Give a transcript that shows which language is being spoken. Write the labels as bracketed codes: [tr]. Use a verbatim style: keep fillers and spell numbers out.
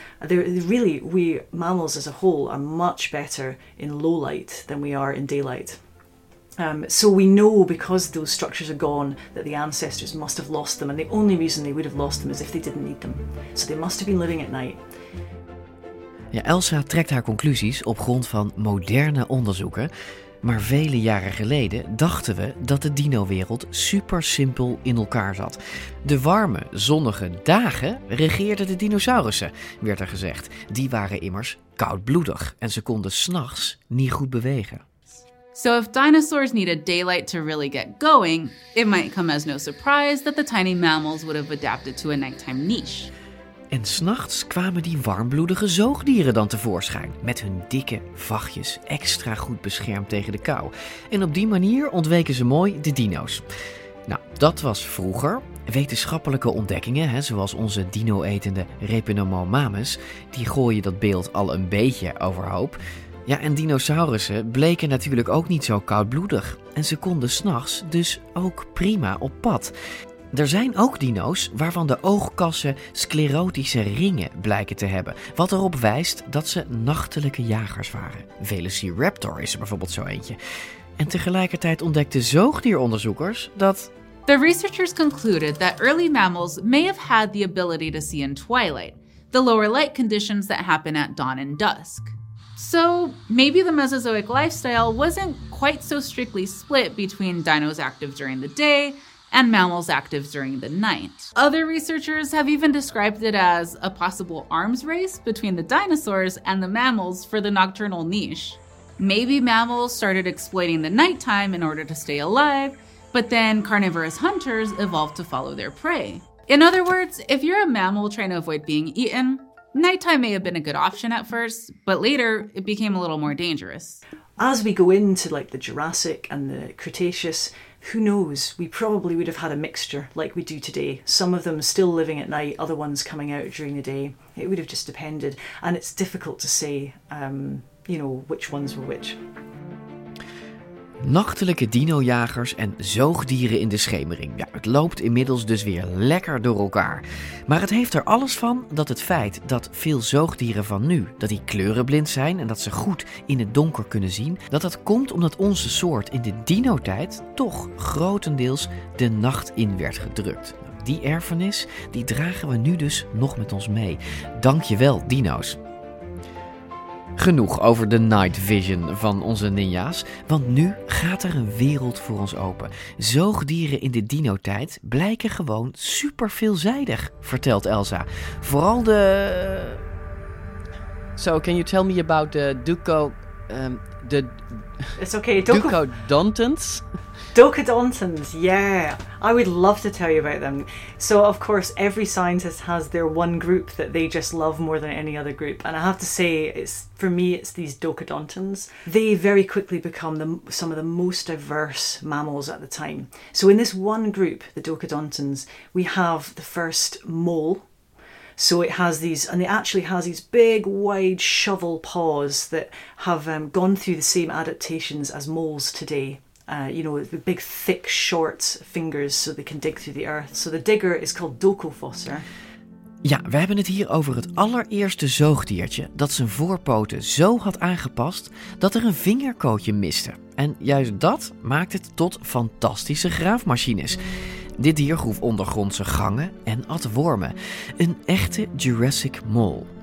[en] They're, really, we mammals as a whole are much better in low light than we are in daylight. Um, so we know because those structures are gone that the ancestors must have lost them, and the only reason they would have lost them is if they didn't need them. So they must have been living at night. [nl] Ja, Elsa trekt haar conclusies op grond van moderne onderzoeken, maar vele jaren geleden dachten we dat de dino-wereld super simpel in elkaar zat. De warme, zonnige dagen regeerden de dinosaurussen, werd er gezegd. Die waren immers koudbloedig en ze konden 's nachts niet goed bewegen. [en] So if dinosaurs needed daylight to really get going, it might come as no surprise that the tiny mammals would have adapted to a nighttime niche. [nl] En 's nachts kwamen die warmbloedige zoogdieren dan tevoorschijn, met hun dikke vachtjes extra goed beschermd tegen de kou. En op die manier ontweken ze mooi de dino's. Nou, dat was vroeger. Wetenschappelijke ontdekkingen, hè, zoals onze dino-etende Repenomomamus, die gooien dat beeld al een beetje overhoop. Ja, en dinosaurussen bleken natuurlijk ook niet zo koudbloedig. En ze konden 's nachts dus ook prima op pad. Er zijn ook dino's waarvan de oogkassen sclerotische ringen blijken te hebben, wat erop wijst dat ze nachtelijke jagers waren. Velociraptor is er bijvoorbeeld zo eentje. En tegelijkertijd ontdekten zoogdieronderzoekers dat... [en] The researchers concluded that early mammals may have had the ability to see in twilight, the lower light conditions that happen at dawn and dusk. So maybe the Mesozoic lifestyle wasn't quite so strictly split between dinos active during the day and mammals active during the night. Other researchers have even described it as a possible arms race between the dinosaurs and the mammals for the nocturnal niche. Maybe mammals started exploiting the nighttime in order to stay alive, but then carnivorous hunters evolved to follow their prey. In other words, if you're a mammal trying to avoid being eaten, nighttime may have been a good option at first, but later it became a little more dangerous. As we go into like the Jurassic and the Cretaceous, who knows, we probably would have had a mixture like we do today. Some of them still living at night, other ones coming out during the day. It would have just depended. And it's difficult to say, um, you know, which ones were which. [nl] Nachtelijke dinojagers en zoogdieren in de schemering. Ja, het loopt inmiddels dus weer lekker door elkaar. Maar het heeft er alles van dat het feit dat veel zoogdieren van nu, dat die kleurenblind zijn en dat ze goed in het donker kunnen zien, dat dat komt omdat onze soort in de dinotijd toch grotendeels de nacht in werd gedrukt. Die erfenis, die dragen we nu dus nog met ons mee. Dankjewel, dino's. Genoeg over de night vision van onze ninja's, want nu gaat er een wereld voor ons open. Zoogdieren in de dino-tijd blijken gewoon super veelzijdig, vertelt Elsa. Vooral de... [en] So, can you tell me about the Duco... Um, the... It's okay, Docodontans? Docodontans, yeah. I would love to tell you about them. So, of course, every scientist has their one group that they just love more than any other group. And I have to say, it's for me, it's these Docodontans. They very quickly become the, some of the most diverse mammals at the time. So in this one group, the Docodontans, we have the first mole. So it has these, and it actually has these big, wide shovel paws that have um, gone through the same adaptations as moles today. Uh, you know, the big, thick, short fingers so they can dig through the earth. So the digger is called Docofosser. [nl] Ja, we hebben het hier over het allereerste zoogdiertje dat zijn voorpoten zo had aangepast dat er een vingerkootje miste. En juist dat maakt het tot fantastische graafmachines. Dit dier groef ondergrondse gangen en at wormen. Een echte Jurassic mole.